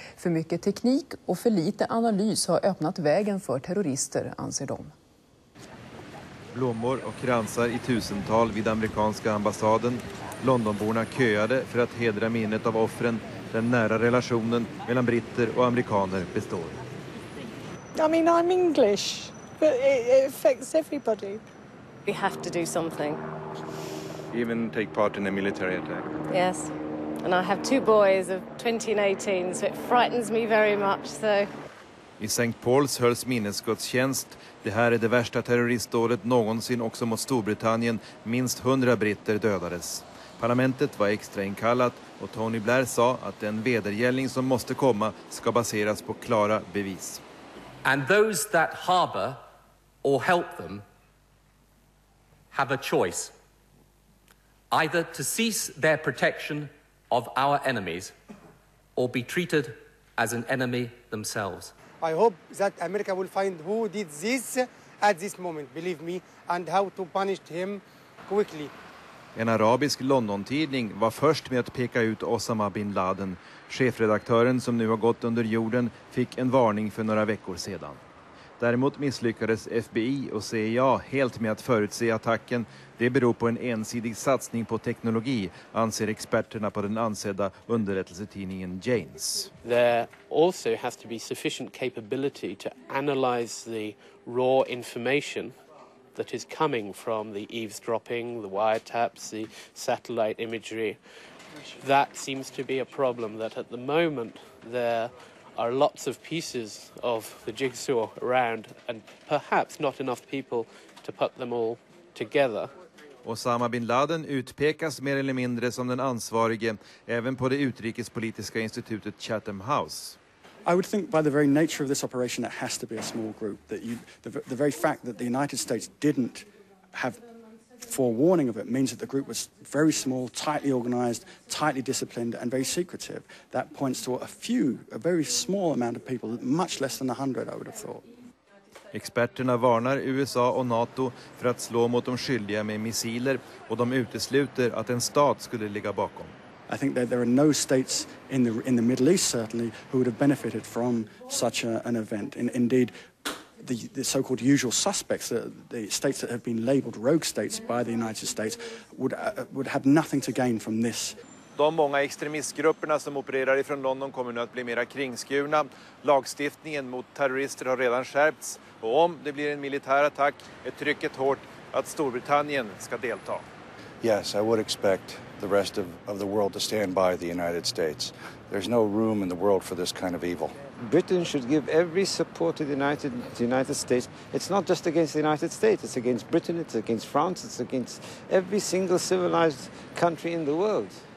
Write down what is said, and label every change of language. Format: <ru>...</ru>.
<sv>För mycket teknik och för lite analys har öppnat vägen för terrorister, anser de. Blommor och kransar i tusental vid amerikanska ambassaden. Londonborna köade för att hedra minnet av offren. Den nära relationen mellan britter och amerikaner består.</sv> <en>I mean, I'm English, but it affects everybody. We have to do something. Even take part in a military attack. Yes, and I have two boys of 20 and 18, so it frightens me very much, so...</en> <sv>I St. Paul's hölls minnesgudstjänst. Det här är det värsta terroristdådet någonsin också mot Storbritannien. Minst 100 britter dödades. Parlamentet var extra inkallat och Tony Blair sa att den vedergällning som måste komma ska baseras på klara bevis.</sv> <en>And those that harbor or help them have a choice. Either to cease their protection of our enemies or be treated as an enemy themselves. I hope that America will find who did this at this moment, believe me, and how to punish him quickly.</en> <sv>En arabisk London-tidning var först med att peka ut Osama bin Laden. Chefredaktören som nu har gått under jorden fick en varning för några veckor sedan. Däremot misslyckades FBI och CIA helt med att förutse attacken. Det beror på en ensidig satsning på teknologi, anser experterna på den ansedda underrättelsetidningen Jane's.</sv> <en>There also has to be sufficient capability to analyze the raw information that is coming from the eavesdropping, the wiretaps, the satellite imagery. That seems to be a problem that at the moment there are lots of pieces of the jigsaw around and perhaps not enough people to put them all together.</en> <sv>Osama bin Laden utpekas mer eller mindre som den ansvarige även på det utrikespolitiska institutet Chatham House.</sv> <en>I would think by the very nature of this operation it has to be a small group, that you, the very fact that the United States didn't have forewarning of it means that the group was very small, tightly organized, tightly disciplined and very secretive. That points to a very small amount of people, much less than 100 I would have thought.</en> <sv>Experterna varnar USA och NATO för att slå mot de skyldiga med missiler och de utesluter att en stat skulle ligga bakom.</sv> <en>I think that there are no states in the Middle East certainly who would have benefited from such an event. Indeed, the so-called usual suspects, the states that have been labeled rogue states by the United States, would have nothing to gain from this.</en> <sv>De många extremistgrupperna som opererar ifrån London kommer nu att bli mer kringskurna. Lagstiftningen mot terrorister har redan skärpts. Och om det blir en militär attack är trycket hårt att Storbritannien ska delta.</sv> <en>Yes, I would expect the rest of the world to stand by the United States. There's no room in the world for this kind of evil. Britain should give every support to the United States. It's not just against the United States, it's against Britain, it's against France, it's against every single civilized country in the world.</en>